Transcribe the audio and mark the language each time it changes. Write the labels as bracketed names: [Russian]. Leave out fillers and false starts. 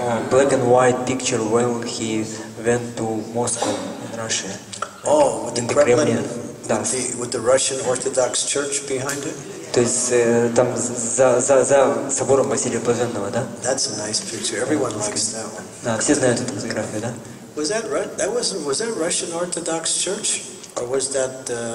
[English] Black and white picture when he went to Moscow in Russia. Oh, with the Kremlin, with the Russian Orthodox Church behind it. [Russian] То есть там за собором Василия Блаженного, да? [English] That's a nice picture. Everyone likes that one. [Russian] Да, все знают эту фотографию, да? [English] Was that was that Russian Orthodox Church or was that?